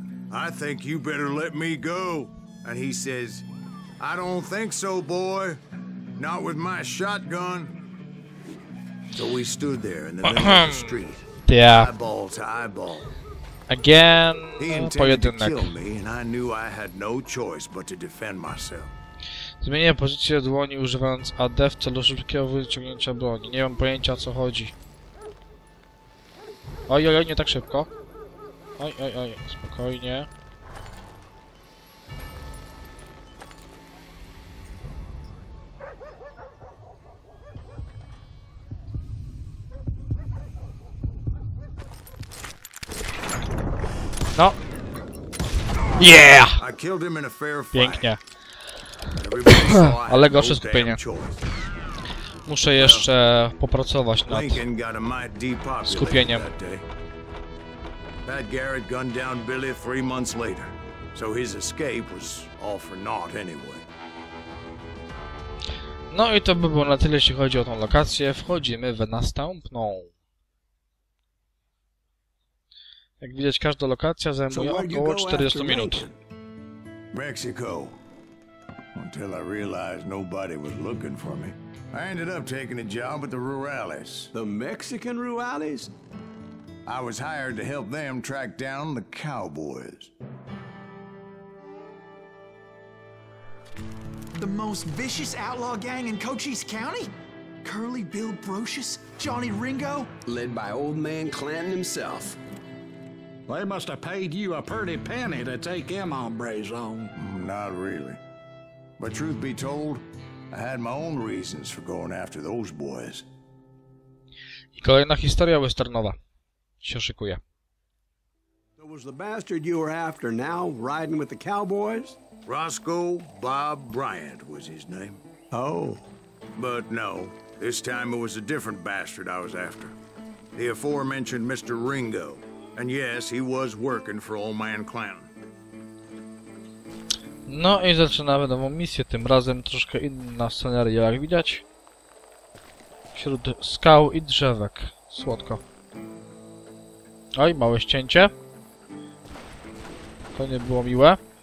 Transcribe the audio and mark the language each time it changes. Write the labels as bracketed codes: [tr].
[en] I think you better let me go. And he says, I don't think so, boy. Not with my shotgun. So we stood there in the middle of the street, eyeball to eyeball. Again, he intended to kill me, and I knew I had no choice but to defend myself. [pl] Zmieniłem pozycję dłoni, używając AD w celu szybkiego wyciągnięcia broni. Nie mam pojęcia, co chodzi. Oj, oj, oj, nie tak szybko. Oj, oj, oj, spokojnie. [en] No. Yeah! I killed him in a fair fight. [pl] Pięknie. Ale gorsze skupienie. Muszę jeszcze popracować nad skupieniem. [en] Pat Garrett gunned down Billy 3 months later. So his escape was all for naught anyway. [pl] No i to by było na tyle, jeśli chodzi o tą lokację. Wchodzimy w następną. Jak widać, każda lokacja zajmuje około 40 minut. [en] Mexico. Until I realized nobody was looking for me. I ended up taking a job at the Rurales. The Mexican Rurales? I was hired to help them track down the cowboys. the most vicious outlaw gang in Cochise County? Curly Bill Brocious, Johnny Ringo? Led by old man Clanton himself. They must have paid you a pretty penny to take them hombres on. Not really. But truth be told, I had my own reasons for going after those boys. [pl] I kolejna historia westernowa się szykuje. [en] So was the bastard you were after now riding with the cowboys? Roscoe Bob Bryant was his name. Oh. But no, this time it was a different bastard I was after. The aforementioned Mr. Ringo. And yes, he was working for old man Clanton. [pl] No i zaczynamy nową misję, tym razem troszkę inna scenaria, jak widać. Wśród skał i drzewek. Słodko. Oj, małe ścięcie. To nie było miłe.